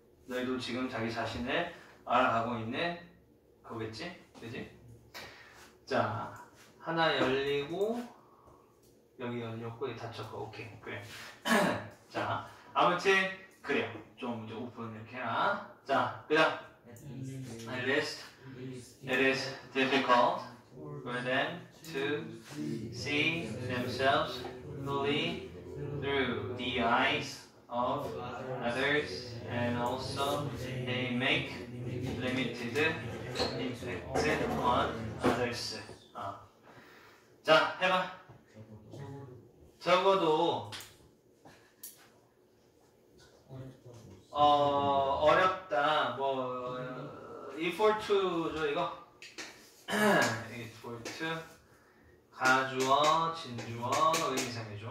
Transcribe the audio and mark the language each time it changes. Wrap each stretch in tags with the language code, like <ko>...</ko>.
<ko>너희도 지금 자기 자신을 알아가고 있는 거겠지? 그지? 자, 하나 열리고 여기 열렸고 여기 닫혔고 오케이. 그래. 자, 아무튼 그래요. 좀 이제 오픈 이렇게 해라. 자, 그다음. 네. 레스트.</ko> <en>It is difficult for them to see themselves fully through the eyes of others, and also they make limited impact on others.</en> <ko>자, 해봐. 적어도 어렵다. 뭐 E42죠 이거? 이게 볼트 가주어 진주어 의미상의 주어.</ko>